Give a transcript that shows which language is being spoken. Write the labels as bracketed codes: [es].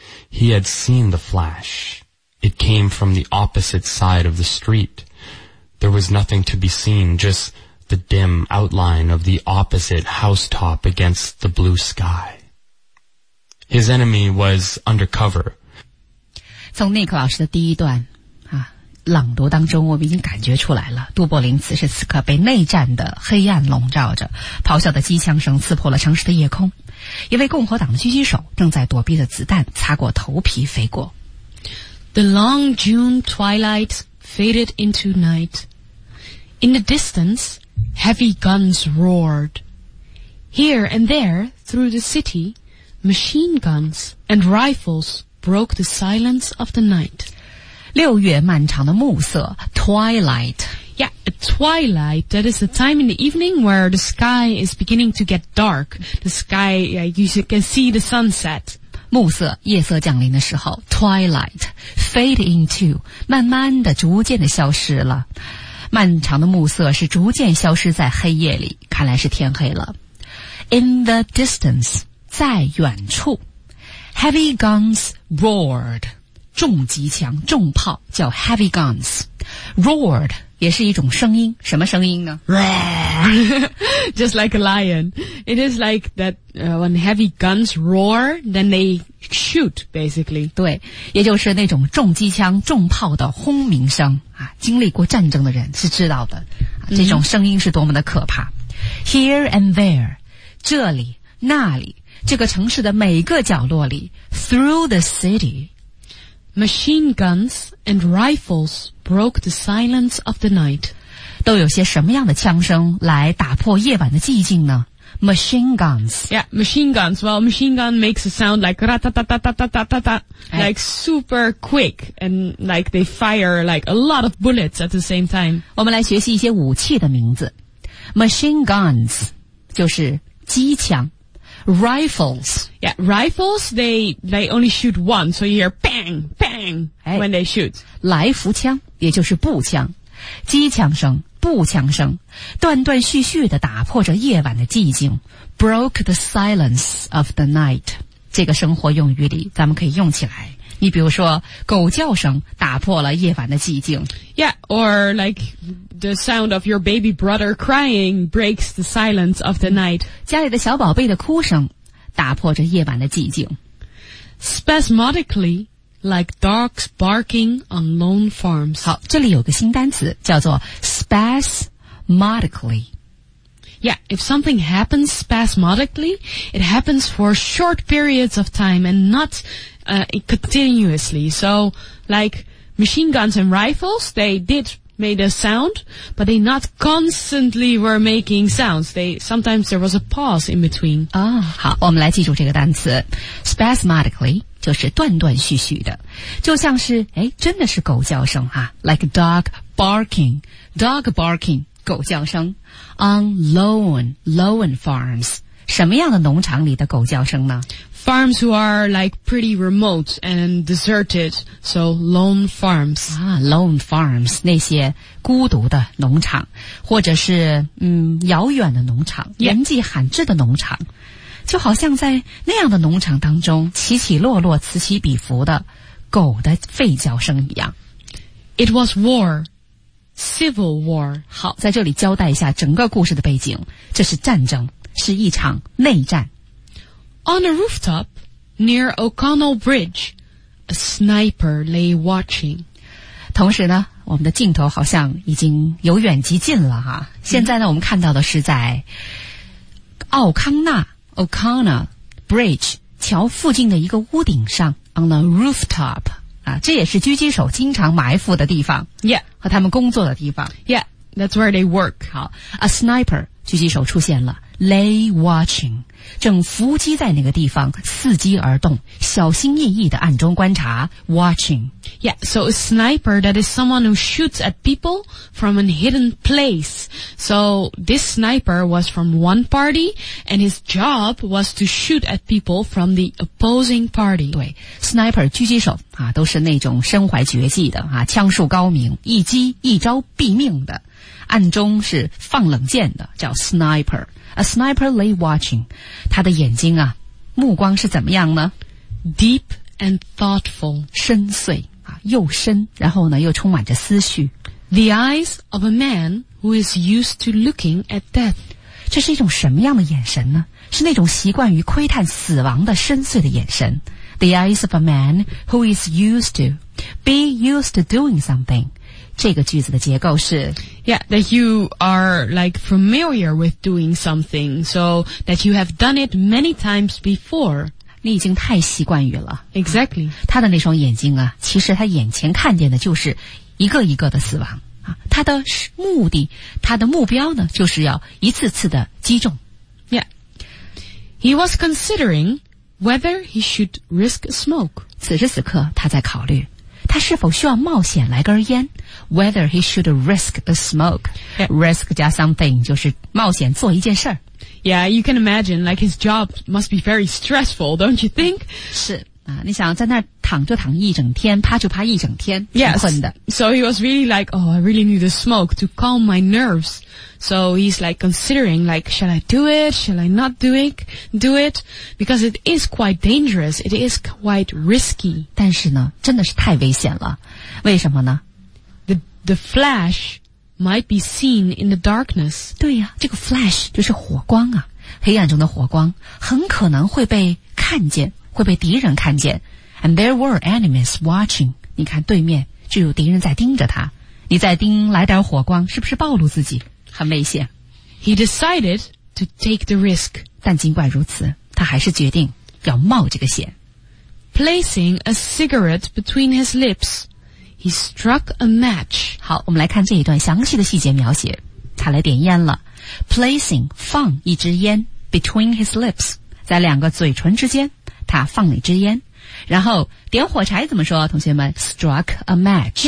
[en] He had seen the flash. It came from the opposite side of the street. There was nothing to be seen, just the dim outline of the opposite housetop against the blue sky. His enemy was undercover. [zh] 从内克老师的第一段朗读当中，我们已经感觉出来了，杜柏林此时此刻被内战的黑暗笼罩着，咆哮的机枪声刺破了城市的夜空，一位共和党的狙击手正在躲避的子弹擦过头皮飞过。 [en] The long June twilight faded into night. In the distance, heavy guns roared. Here and there, through the city, machine guns and rifles broke the silence of the night. [zh] 六月漫长的暮色 twilight. [en] Yeah, a twilight, that is the time in the evening where the sky is beginning to get dark. The sky, you can see the sunset. [zh] 暮色夜色降临的时候 [en] twilight fade into [zh] 慢慢的逐渐的消失了，漫长的暮色是逐渐消失在黑夜里，看来是天黑了。 [en] In the distance [zh] 在远处 [en] heavy guns roared [zh] 重机枪重炮叫 heavy guns roared也是一种声音，什么声音呢？ [en] Roar! Just like a lion. It is like that, when heavy guns roar, then they shoot, basically. [zh] 对，也就是那种重机枪、重炮的轰鸣声啊，经历过战争的人是知道的，啊，这种声音是多么的可怕。 [en] Here and there, [zh] 这里、那里，这个城市的每个角落里 [en] through the city, Machine guns and rifles broke the silence of the night. [zh] 都有些什么样的枪声来打破夜晚的寂静呢？ [en] Machine guns. Yeah, machine guns. Well, machine gun makes a sound like ra-ta-ta-ta-ta-ta-ta-ta. Like super quick. And like they fire like a lot of bullets at the same time. [zh] 我们来学习一些武器的名字。 [en] Machine guns, [zh] 就是机枪。 [en] Rifles. Yeah, rifles, they only shoot one, so you hear bang, bang, when they shoot. [zh] 来福枪，也就是步枪。机枪声，步枪声，断断续续地打破着夜晚的寂静。 [en] Broke the silence of the night. [zh] 这个生活用语里，咱们可以用起来。你比如说，狗叫声打破了夜晚的寂静。 [en] Yeah, or like the sound of your baby brother crying breaks the silence of the night. [zh] 家里的小宝贝的哭声打破着夜晚的寂静。 [en] Spasmodically, like dogs barking on lone farms. [zh] 好，这里有个新单词叫做 spasmodically。 [en] Yeah, if something happens spasmodically, it happens for short periods of time and not, continuously. So, like, machine guns and rifles, they did make a sound, but they not constantly were making sounds. Sometimes there was a pause in between. [zh] 啊、oh, 好我们来记住这个单词。Spasmodically, 就是断断续续的。就像是诶真的是狗叫声啊。 [en] Like a dog barking. Dog barking. [zh] 狗叫声 [en] on lone farms [zh] 什么样的农场里的狗叫声呢？ [en] Farms who are like pretty remote and deserted, so lone farms. [zh] Lone farms, 那些孤独的农场，或者是遥远的农场，人迹罕至的农场，就好像在那样的农场当中，起起落落，此起彼伏的狗的吠叫声一样。 [en] It was war, civil war. [zh] 好，在这里交代一下整个故事的背景，这是战争，是一场内战。 [en] On a rooftop near O'Connell Bridge, a sniper lay watching. [zh] 同时呢，我们的镜头好像已经由远及近了哈。现在呢，我们看到的是在奥康纳 O'Connell Bridge 桥附近的一个屋顶上 ， [en] on a rooftop [zh] 啊，这也是狙击手经常埋伏的地方 [en] ，Yeah， [zh] 和他们工作的地方 [en] ，Yeah， that's where they work. [zh] 好 ， [en] a sniper [zh] 狙击手出现了 ， [en] lay watching。 [zh] 正伏击在那个地方，伺机而动，小心翼翼地暗中观察 ，watching. [en] Yeah, so a sniper that is someone who shoots at people from a hidden place. So this sniper was from one party, and his job was to shoot at people from the opposing party. [zh] 对 ，sniper 狙击手啊，都是那种身怀绝技的啊，枪术高明，一击一招毙命的，暗中是放冷箭的，叫 sniper。 [en] A sniper lay watching. [zh] 他的眼睛啊，目光是怎么样呢 [en] ？Deep and thoughtful. [zh] 深邃啊，又深，然后呢，又充满着思绪。 [en] The eyes of a man who is used to looking at death. [zh] 这是一种什么样的眼神呢？是那种习惯于窥探死亡的深邃的眼神。 [en] The eyes of a man who is used to be used to doing something. [zh] 这个句子的结构是 [en] Yeah, that you are like familiar with doing something, so that you have done it many times before. [zh] 你已经太习惯于了。 [en] Exactly. [zh] 他的那双眼睛啊，其实他眼前看见的就是一个一个的死亡。啊、他的目的，他的目标呢，就是要一次次的击中。 [en] Yeah. He was considering whether he should risk smoke. [zh] 此时此刻，他在考虑。他是否需要冒险来根烟 ？ [en] Whether he should risk the smoke,、 yeah. [zh] risk 加 something 就是冒险做一件事儿。 [en] Yeah, you can imagine, like his job must be very stressful, don't you think? [zh] 是啊，你想在那儿躺就躺一整天，趴就趴一整天，挺困的。 [en] Yes. So he was really like, oh, I really need the smoke to calm my nerves. So he's like considering, like, shall I do it? Shall I not do it? Because it is quite dangerous. It is quite risky. [zh] 但是呢，真的是太危险了。为什么呢 [en] ？The flash might be seen in the darkness. [zh] 对呀、啊，这个 flash 就是火光啊，黑暗中的火光很可能会被看见，会被敌人看见。 [en] And there were enemies watching. [zh] 你看对面就有敌人在盯着他。你再盯来点火光，是不是暴露自己？很危险。 [en] He decided to take the risk. [zh] 但尽管如此，他还是决定要冒这个险。 Placing a cigarette between his lips, he struck a match. 好，我们来看这一段详细的细节描写。他来点烟了。 Placing, 放一支烟 [en] between his lips, [zh] 在两个嘴唇之间，他放了一支烟。然后点火柴怎么说，同学们 ？ [en] Struck a match.